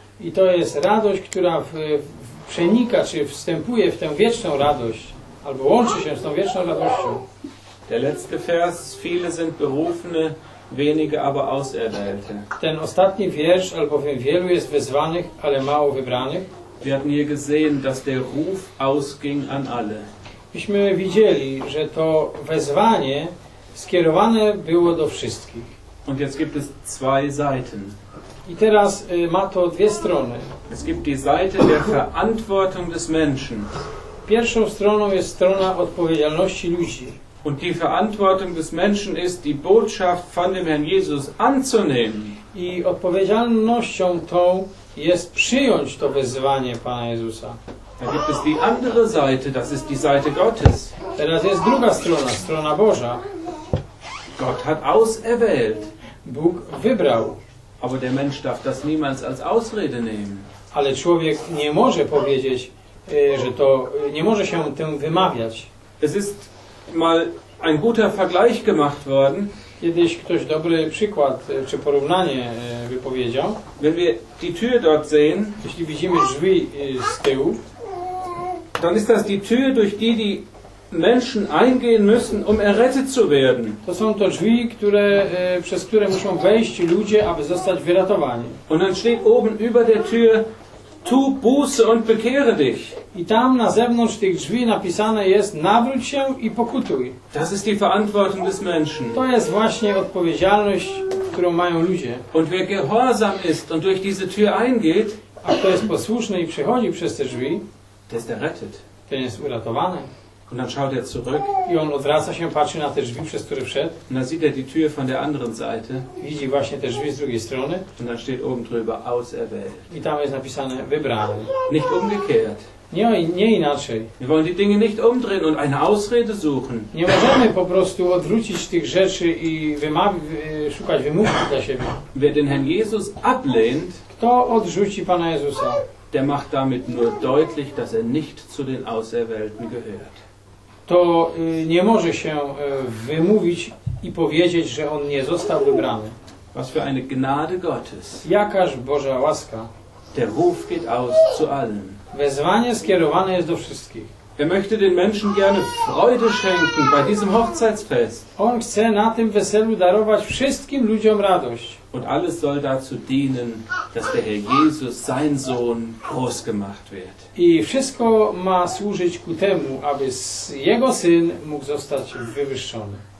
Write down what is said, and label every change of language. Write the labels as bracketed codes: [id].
[pl] I to jest radość, która przenika, czy wstępuje w tę wieczną radość, albo łączy się z tą wieczną radością. [de] Der letzte Vers, viele sind berufene, wenige aber auserwählte. [pl] Ten ostatni wiersz, albowiem wielu jest wezwanych, ale mało wybranych. [de] Wir hatten hier gesehen, dass der Ruf ausging an alle. [pl] Myśmy widzieli, że to wezwanie skierowane było do wszystkich. [de] Und jetzt gibt es zwei Seiten. [pl] I teraz ma to dwie strony. [de] Es gibt die Seite der Verantwortung des Menschen. [pl] Pierwszą stroną jest strona odpowiedzialności ludzi. [de] Und die Verantwortung des Menschen ist, die Botschaft von dem Herrn Jesus anzunehmen. [pl] I odpowiedzialnością tą jest przyjąć to wezwanie Pana Jezusa. [de] Da gibt es die andere Seite, das ist die Seite Gottes. [pl] Teraz jest druga strona, strona Boża. [de] Gott hat auserwählt. [pl] Bóg wybrał. [de] Aber der Mensch darf das niemals als Ausrede nehmen. [pl] Ale człowiek nie może powiedzieć, że to nie może się tym wymawiać. [de] Es ist mal ein guter Vergleich gemacht worden. [pl] Kiedyś ktoś dobry przykład czy porównanie wypowiedział. [de] Wenn wir die Tür dort sehen, [pl] jeśli widzimy drzwi z tyłu, [de] dann ist das die Tür, durch die die Menschen eingehen müssen, um errettet zu werden. [pl] To są to drzwi, które, przez które muszą wejść ludzie, aby zostać wyratowani. [de] Und dann steht oben über der Tür, tu Buße und bekehre dich. [pl] I tam na zewnątrz tych drzwi napisane jest, nawróć się i pokutuj. [de] Das ist die Verantwortung des Menschen. [pl] To jest właśnie odpowiedzialność, którą mają ludzie. [de] Und wer gehorsam ist und durch diese Tür eingeht, [pl] a kto jest posłuszny i przechodzi przez te drzwi, [de] der ist errettet. [pl] Ten jest uratowany. [de] Und dann schaut er zurück. [pl] I on odwraca się, patrzy na te drzwi, przez które wszedł. [de] Und dann sieht er die Tür von der anderen Seite. [pl] Widzi właśnie te drzwi z drugiej strony. [de] Und dann steht oben drüber auserwählt. [pl] I tam jest napisane wybrany. [de] Nicht umgekehrt. [pl] Nie inaczej. [de] Wir wollen die Dinge nicht umdrehen und eine Ausrede suchen. [pl] Nie możemy po prostu odwrócić tych rzeczy i szukać wymówki dla siebie. [de] Wer den Herrn Jesus ablehnt, [pl] kto odrzuci Pana Jezusa, [de] der macht damit nur deutlich, dass er nicht zu den Auserwählten gehört. [pl] To nie może się wymówić i powiedzieć, że on nie został wybrany. [de] Was für eine Gnade Gottes. [pl] Jakaż Boża łaska. [de] Der Ruf geht aus zu allen. [pl] Wezwanie skierowane jest do wszystkich. [de] Er möchte den Menschen gerne Freude schenken bei diesem Hochzeitsfest. [pl] On chce na tym weselu darować wszystkim ludziom radość. [de] Und alles soll dazu dienen, dass der Herr Jesus, sein Sohn, groß gemacht wird. [pl] I wszystko ma służyć ku temu, aby jego syn mógł zostać wywyższony.